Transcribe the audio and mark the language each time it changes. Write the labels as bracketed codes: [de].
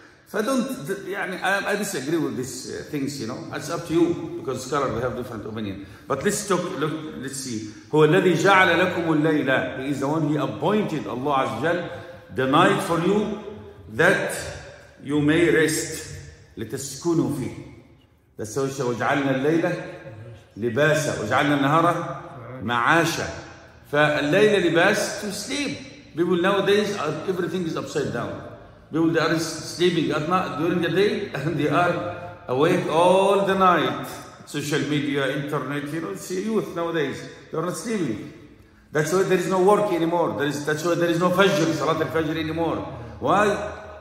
[en] So I disagree with these things, you know. It's up to you, because scholars, we have different opinion. But let's see. [ar] هو الذي جعل لكم الليلة. [en] He is the one, he appointed Allah [ar] عز وجل [en] the night for you that you may rest. [ar] لتسكنوا فيه. [en] That's how he [ar] وجعلنا الليلة لباسا وجعلنا النهار معاشا. فالليل لباس [en] to sleep. People nowadays, everything is upside down. People they are sleeping at night during the day and they are awake all the night. Social media, internet, you know, see youth nowadays, they are not sleeping. That's why there is no work anymore. That's why there is no fajr, salat al-fajr anymore. Why?